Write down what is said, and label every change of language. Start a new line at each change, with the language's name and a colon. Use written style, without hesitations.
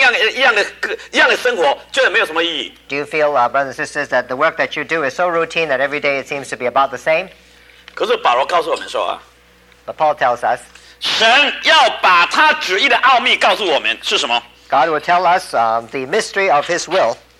Chinese: 各位弟兄姊妹们,你会不会觉得你一天过一天,所经过如此,都是这样routine,都这样例行,每天同样一样的生活,觉得没有什么意义?
English: Do you feel, brothers and sisters, that the work that you do is so routine that every day it seems to be about the same?
Chinese: 可是保罗告诉我们说啊,
English: But Paul tells us,
Chinese: 神要把他旨意的奥秘告诉我们是什么?
English: God will tell us the mystery of his will.